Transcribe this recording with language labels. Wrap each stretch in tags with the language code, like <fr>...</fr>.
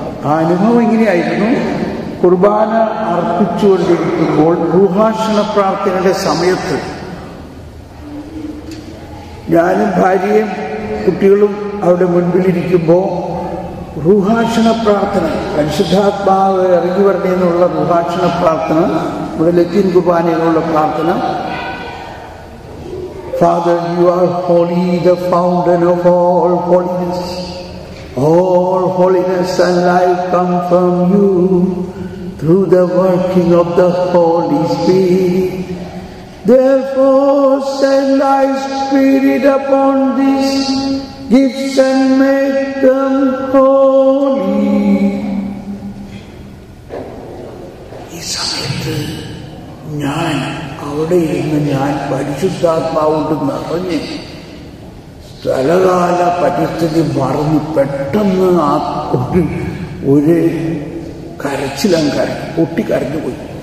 <ml>ആ അനുഭവം എങ്ങനെയായിരുന്നു, കുർബാന അർപ്പിച്ചുകൊണ്ടിരിക്കുമ്പോൾ ഗൃഹാർഷണ പ്രാർത്ഥനയുടെ സമയത്ത് ഞാനും ഭാര്യയും കുട്ടികളും അവിടെ മുൻപിലിരിക്കുമ്പോൾ ഗൃഹാർഷണ പ്രാർത്ഥന, പരിശുദ്ധാത്മാവ് ഇറങ്ങി വരണമെന്നുള്ള ഗൃഹാർഷണ പ്രാർത്ഥന, നമ്മുടെ ലത്തീൻ കുർബാനയിലുള്ള പ്രാർത്ഥന,</ml> <en>Father, you are holy, the fountain of all holiness. All holiness and life come from you through the working of the Holy Spirit. Therefore, send thy spirit upon these gifts and make them holy. Is it nine?</en> <ml>അവിടെ ഇരുന്ന് ഞാൻ പരിശുദ്ധാത്മാവ് കൊണ്ട് നിറഞ്ഞ് സ്ഥലകാല പരിസ്ഥിതി മറന്ന് പെട്ടെന്ന് ആ കുട്ടി ഒരു കരച്ചിലും കരഞ്ഞു, കുട്ടി കരഞ്ഞു പോയി.</ml>